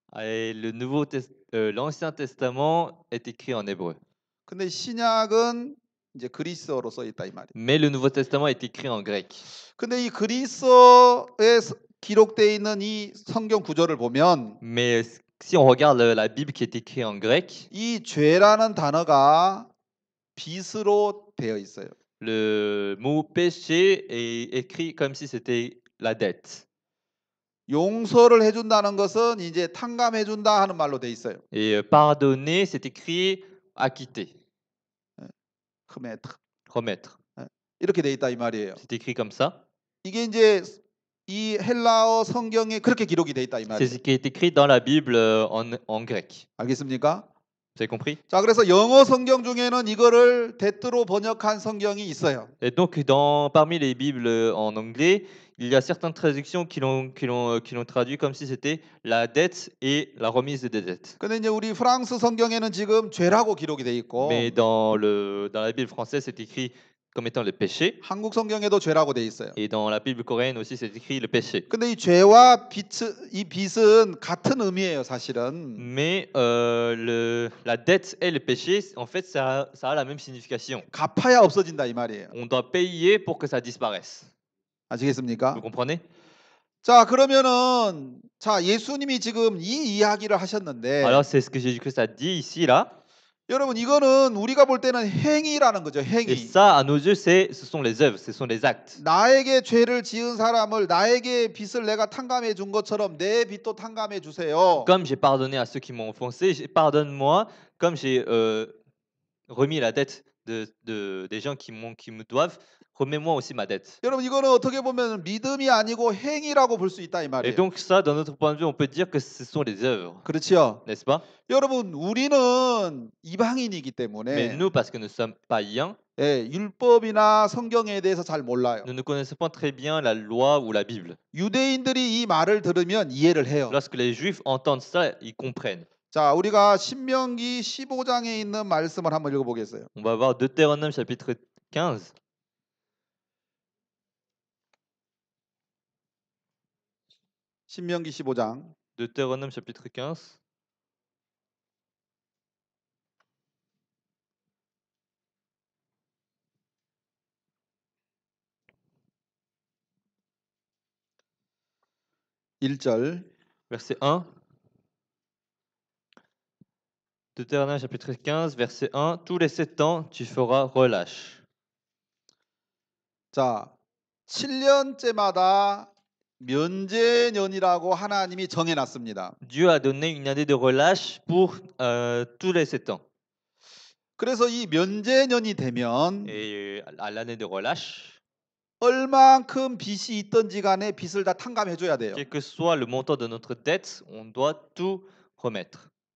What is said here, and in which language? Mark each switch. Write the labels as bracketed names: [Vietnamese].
[French] Et le Nouveau l'Ancien Testament est écrit en hébreu. [Korean] 근데 신약은 이제 그리스어로 써 있다 이 말이에요. [French] Mais le Nouveau Testament est écrit en grec. [Korean] 근데 이 그리스어에 기록돼 있는 이 성경 구절을 보면 [French] Mais si on regarde la Bible qui est écrite en grec, [Korean] 이 죄라는 단어가 빛으로 되어 있어요. [French] Le mot péché est écrit comme si c'était la dette. [Korean] 용서를 해 준다는 것은 이제 탕감해 준다 하는 말로 돼 있어요. [French] Et pardonner c'est écrit acquitter. remettre. [Korean] 네. 이렇게 돼 있다 이 말이에요. [French] C'est écrit comme ça. [Korean] 이게 이제 이 헬라어 성경에 그렇게 기록이 돼 있다 이 말이에요. [French] C'est écrit dans la Bible en grec. [Korean] 알겠습니까? [French] C'est compris? [Korean] 자, 그래서 영어 성경 중에는 이거를 대뜨로 번역한 성경이 있어요. [French] Et donc parmi les bibles en anglais, il y a certaines traductions qui l'ont traduit comme si c'était la dette et la remise des dettes. [Korean] 근데 이제 우리 프랑스 성경에는 지금 죄라고 기록이 돼 있고 [French] Mais dans la Bible française, c'est écrit comme étant le péché. [Korean] 한국 성경에도 죄라고 돼 있어요. [French] Et dans la Bible coréenne aussi, c'est écrit le péché. [Korean] 근데 이 죄와 빚은 같은 의미예요, 사실은. [French] Mais la dette et le péché, en fait, ça a la même signification. [Korean] 갚아야 없어진다 이 말이에요. [French] On doit payer pour que ça disparaisse. [Korean] 아시겠습니까? [French] Vous comprenez? [Korean] 자, 그러면은 자, 예수님이 지금 이 이야기를 하셨는데 [French] Alors, c'est ce que Jésus-Christ a dit ici là. [Korean] 여러분 이거는 우리가 볼 때는 행위라는 거죠. 행위. [French] Et ça à nos yeux ce sont les œuvres, ce sont les actes. [Korean] 나에게 죄를 지은 사람을 나에게 빚을 내가 탕감해 준 것처럼 내 빚도 탕감해 주세요. [French] Comme j'ai pardonné à ceux qui m'ont offensé, pardonne-moi comme j'ai remis la dette des gens qui me doivent. Remets-moi aussi ma dette. [Korean] 여러분 이거는 어떻게 보면 믿음이 아니고 행위라고 볼 수 있다 이 말이에요. [French] Et donc ça, dans notre point de vue, on peut dire que ce sont les œuvres. [Korean] 그렇죠. [French] N'est-ce pas? [Korean] 여러분 우리는 이방인이기 때문에. [French] Mais nous, parce que nous sommes païens. [Korean] 예, 율법이나 성경에 대해서 잘 몰라요. [French] Nous ne connaissons pas très bien la loi ou la Bible. [Korean] 유대인들이 이 말을 들으면 이해를 해요. [French] Lorsque les Juifs entendent ça, ils comprennent. [Korean] 자, 우리가 신명기 15장에 있는 말씀을 한번 읽어보겠어요. [French] On va voir Deutéronome chapitre 15. [Korean] 신명기 15장 [French] Deutéronome chapitre 15 [Korean] 1절 [French] verset 1 Deutéronome chapitre 15 verset 1 tous les 7 ans tu feras relâche [Korean] 자 7년째마다 면제년이라고 하나님이 정해 놨습니다. [French] Dieu a donné une année de relâche pour tous les 7 ans. [Korean] 그래서 이 면제년이 되면 [French] l'année de relâche [Korean] 얼마만큼 빚이 있던지 간에 빚을 다 탕감해 줘야 돼요. [French] Quel que soit le montant de notre dette, on doit tout remettre.